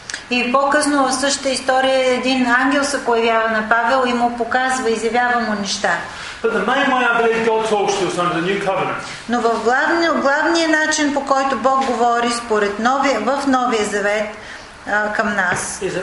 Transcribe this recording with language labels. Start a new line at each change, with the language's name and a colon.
Bulgarian: И по-късно в същата история един ангел се появява на Павел и му показва, изявява му неща.
English: But the main way I believe God talks to us under the new covenant.
Bulgarian: Но в главния начин, по който Бог говори според новия завет, към нас.